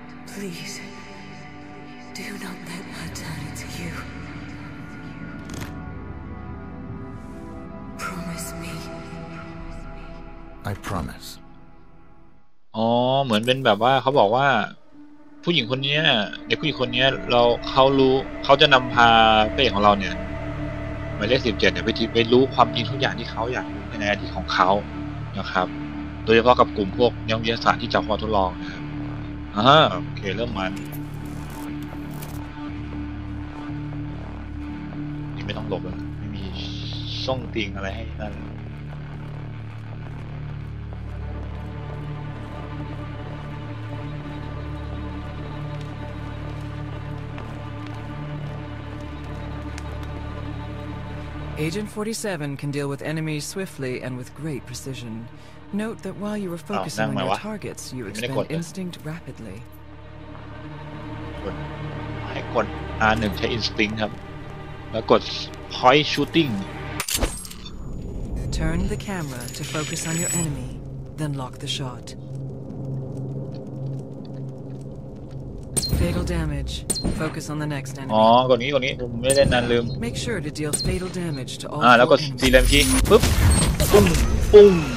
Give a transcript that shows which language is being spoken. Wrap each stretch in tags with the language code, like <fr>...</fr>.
<en>Please do not let her turn into you Promise me I promise</en> <th>อ๋อเหมือนเป็นแบบว่าเขาบอกว่าผู้หญิงคนนี้เด็กผู้หญิงคนนี้เขารู้เขาจะนำพาเป้ของเราเนี่ยหมายเลข17เนี่ยไปรู้ความจริงทุกอย่างที่เขาอยากรู้ในอดีตของเขานะครับโดยเฉพาะกับกลุ่มพวกนักวิทยาศาสตร์ที่จะขอทดลองนะครับโอเคเริ่มมันนี่ไม่ต้องหลบแล้วไม่มีช่องติงอะไรให้นั่น</th> <en>Agent 47 can deal with enemies swiftly and with great precision. Note that while you were focusing on your targets, you expend instinct rapidly. Good. Good.</en> <th>R1 ใช้ Instinct ครับแล้วกด</th> <en>Point Shooting Turn the camera to focus on your enemy then lock the shot Fatal damage focus on the next enemy</en> <th>อ๋อกดนี้ผมไม่ได้นานลืม</th> <en>Make sure to deal fatal damage to all</en> <th>แล้วกด C แล้วทีปึ๊บปุ้งปุ้ง</th>